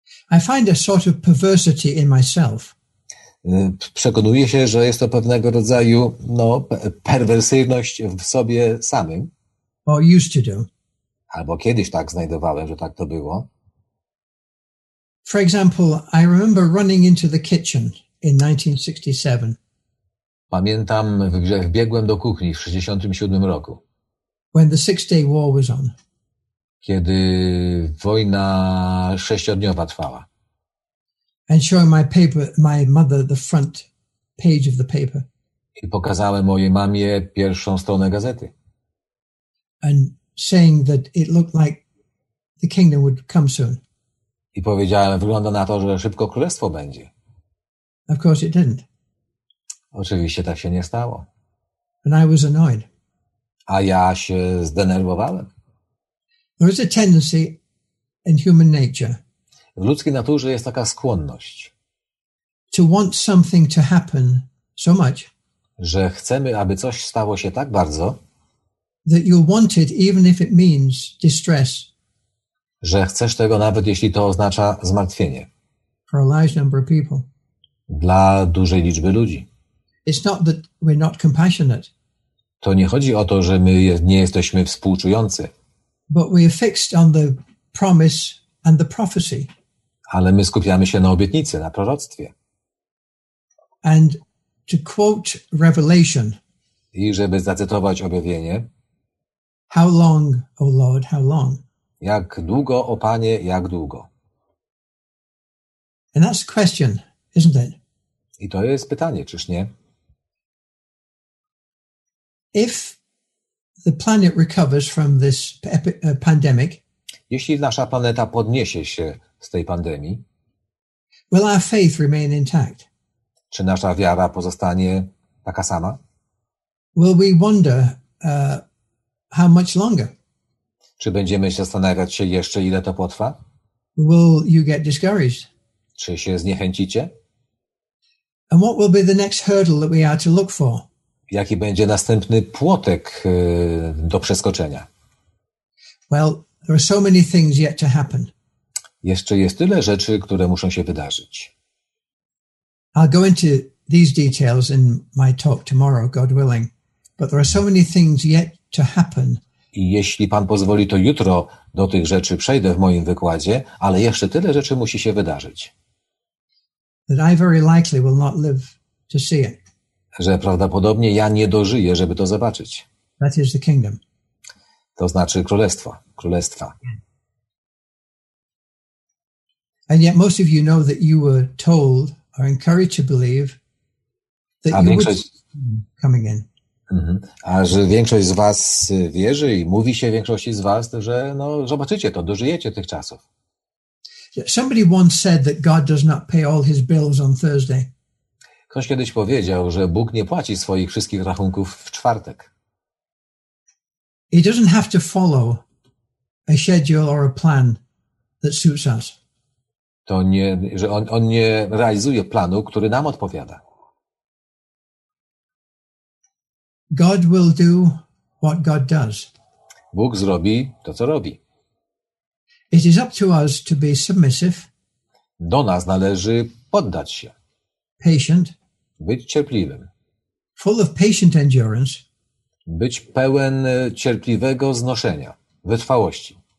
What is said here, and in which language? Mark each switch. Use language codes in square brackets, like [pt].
[en] I find a sort of perversity in myself. [pl] Przekonuję się, że jest to pewnego rodzaju perwersyjność w sobie samym. [en] Or used to do. [pl] Albo kiedyś tak znajdowałem, że tak to było. [en] For example, I remember running into the kitchen in 1967. [pl] Pamiętam, że wbiegłem do kuchni w 1967 roku. [en] When the Six-Day War was on. [pl] Kiedy wojna sześciodniowa trwała. [en] And showing my paper, my mother, the front page of the paper. [pl] I pokazałem mojej mamie pierwszą stronę gazety. [en] And saying that it looked like the kingdom would come soon. [pl] I powiedziałem, wygląda na to, że szybko królestwo będzie. [en] Of course it didn't. [pl] Oczywiście tak się nie stało. [en] And I was annoyed. [pl] A ja się zdenerwowałem. [en] There is a tendency in human nature. [pl] W ludzkiej naturze jest taka skłonność. [en] To want something to happen so much. [pl] Że chcemy, aby coś stało się tak bardzo. [en] That you want it even if it means distress. [pl] Że chcesz tego nawet jeśli to oznacza zmartwienie. [en] For a large number of people. [pl] Dla dużej liczby ludzi. [en] It's not that we're not compassionate. [pl] To nie chodzi o to, że my nie jesteśmy współczujący. [en] But we are fixed on the promise and the prophecy. [pl] Ale my skupiamy się na obietnicy, na proroctwie. [en] And to quote Revelation. [pl] I żeby zacytować objawienie. [en] How long, O Lord, how long? [pl] Jak długo, O Panie, jak długo? [en] And that's a question, isn't it? [pl] I to jest pytanie, czyż nie? [en] If the planet recovers from this pandemic, [pl] jeśli nasza planeta podniesie się z tej pandemii, [en] will our faith remain intact? [pl] Czy nasza wiara pozostanie taka sama? [en] Will we wonder how much longer? [pl] Czy będziemy się zastanawiać się jeszcze, ile to potrwa? [en] Will you get discouraged? [pl] Czy się zniechęcicie? [en] And what will be the next hurdle that we are to look for? [pl] Jaki będzie następny płotek do przeskoczenia? [en] Well, there are so many things yet to happen. [pl] Jeszcze jest tyle rzeczy, które muszą się wydarzyć. [en] I'll go into these details in my talk tomorrow, God willing. But there are so many things yet to happen. [pl] I jeśli Pan pozwoli, to jutro do tych rzeczy przejdę w moim wykładzie, ale jeszcze tyle rzeczy musi się wydarzyć. [en] That I very likely will not live to see it. [pl] Że prawdopodobnie ja nie dożyję, żeby to zobaczyć. [en] That is the kingdom. [pl] To znaczy królestwo, królestwa. [en] And yet most of you know that you were told or encouraged to believe that you would see him coming in. Mm-hmm. [pl] A że większość z was wierzy i mówi się większości z was, że no zobaczycie to, dożyjecie tych czasów. [en] Somebody once said that God does not pay all his bills on Thursday. [pl] Ktoś kiedyś powiedział, że Bóg nie płaci swoich wszystkich rachunków w czwartek. [en] He doesn't have to follow a schedule or a plan that suits us. [pl] To nie, że on nie realizuje planu, który nam odpowiada. [en] God will do what God does. [pl] Bóg zrobi to, co robi. [en] It is up to us to be submissive. [pl] Do nas należy poddać się. [en] Patient. [pl] Być cierpliwym. [en] Full of patient endurance. [pl] Być pełen cierpliwego znoszenia, wytrwałości.